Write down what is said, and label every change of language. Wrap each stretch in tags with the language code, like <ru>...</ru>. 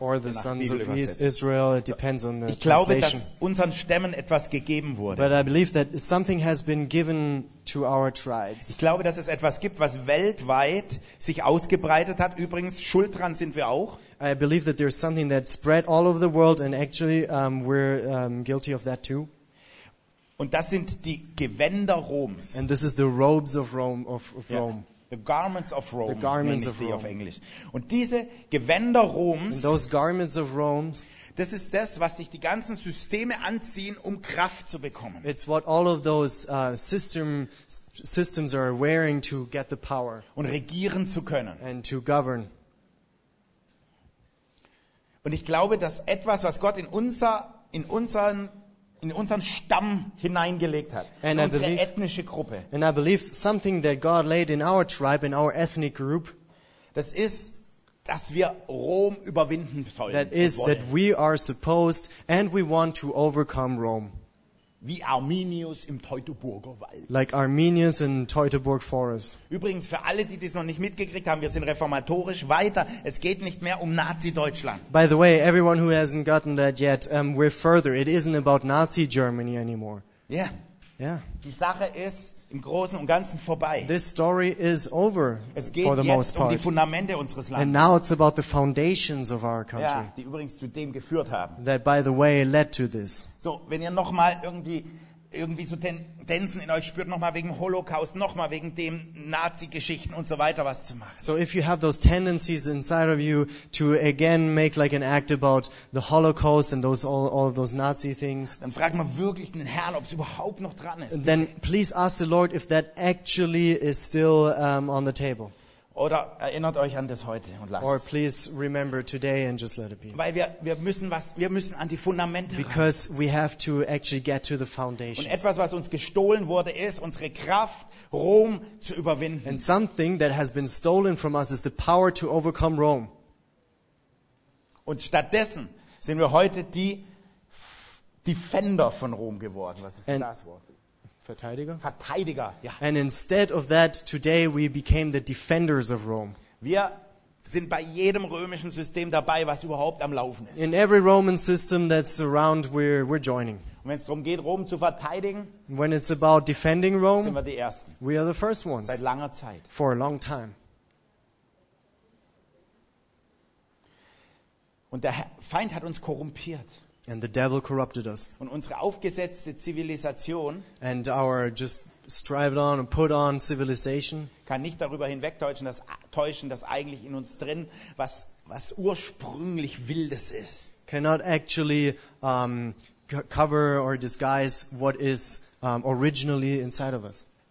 <en>Or the sons of Israel, it depends on the</en> <de>ich glaube, dass unseren Stämmen etwas gegeben wurde.</de> <en>But I believe that something has been given to our tribes.</en> <de>Ich glaube, dass es etwas gibt, was weltweit sich ausgebreitet hat. Übrigens, schuld dran sind wir auch.</de> <en>I believe that there's something that spread all over the world and actually we're guilty of that too.</en> <de>Und das sind die Gewänder Roms.</de> <en>And this is the robes of Rome. Rome. The garments of Rome. The garments of Rome.</en> <de>Auf Englisch. Und diese Gewänder Roms.</de> <en>And those garments of Rome.</en> <de>Das ist das, was sich die ganzen Systeme anziehen, um Kraft zu bekommen.</de> <en>It's what all of those systems are wearing to get the power.</en> <de>Und regieren zu können.</de> <en>And to govern.</en> <de>Und ich glaube, dass etwas, was Gott in unseren Stamm hineingelegt hat,</de> <en>and</en> <de>in unsere</de> <en>believe,</en> <de>ethnische Gruppe.</de> <en>And I believe something that God laid in our tribe, in our ethnic group.</en> <de>Das ist, dass wir Rom überwinden sollen.</de> <en>That is that we are supposed and we want to overcome Rome.</en> <de>Wie Arminius im Teutoburger Wald.</de> <en>Like Arminius in Teutoburg Forest.</en> <de>Übrigens, für alle, die das noch nicht mitgekriegt haben, wir sind reformatorisch weiter. Es geht nicht mehr um Nazi-Deutschland.</de> <en>By the way, everyone who hasn't gotten that yet, we're further. It isn't about Nazi-Germany anymore. Yeah. Yeah.</en> <de>Die Sache ist im Großen und Ganzen vorbei.</de> <en>This story is over</en> <de>es geht</de> <en>for the</en> <de>jetzt</de> <en>most part.</en> <de>Um die Fundamente unseres Landes.</de> <en>And now it's about the foundations of our country.</en> <de>Ja, die übrigens zu dem geführt haben.</de> <en>That, by the way, led to this.</en> <de>So, wenn ihr nochmal irgendwie so Tendenzen in euch spürt, nochmal wegen Holocaust, nochmal wegen dem Nazi-Geschichten und so weiter was zu machen.</de> <en>So if you have those tendencies inside of you to again make like an act about the Holocaust and those all of those Nazi things.</en> <de>Dann frag mal wirklich den Herrn, ob es überhaupt noch dran ist. Bitte.</de> <en>Then please ask the Lord if that actually is still on the table.</en> <de>Oder erinnert euch an das heute und lasst.</de> <en>Or please remember today and just let it be.</en> <de>Weil wir müssen an die Fundamente.</de> <en>Because</en> <de>ran.</de> <en>We have to actually get to the foundations.</en> <de>Und etwas, was uns gestohlen wurde, ist unsere Kraft, Rom zu überwinden.</de> <en>And something that has been stolen from us is the power to overcome Rome.</en> <de>Und stattdessen sind wir heute die Defender von Rom geworden. Was ist denn das Wort? Verteidiger. Ja.</de> <en>And instead of that, today we became the defenders of Rome.</en> <de>Wir sind bei jedem römischen System dabei, was überhaupt am Laufen ist.</de> <en>In every Roman system that's around, we're joining.</en> <de>Und wenn es darum geht, Rom zu verteidigen,</de> <en>when it's about defending Rome,</en> <de>sind wir die Ersten.</de> <en>We are the first ones.</en> <de>Seit langer Zeit.</de> <en>For a long time.</en> <de>Und der Feind hat uns korrumpiert.</de> <en>And the devil corrupted us.</en> <de>Und unsere aufgesetzte Zivilisation</de> <en>and our just strived on and put on civilization</en> <de>kann nicht darüber hinwegtäuschen, dass eigentlich in uns drin was ursprünglich Wildes ist.</de> <en>Cannot actually cover or disguise what is originally inside of us.</en>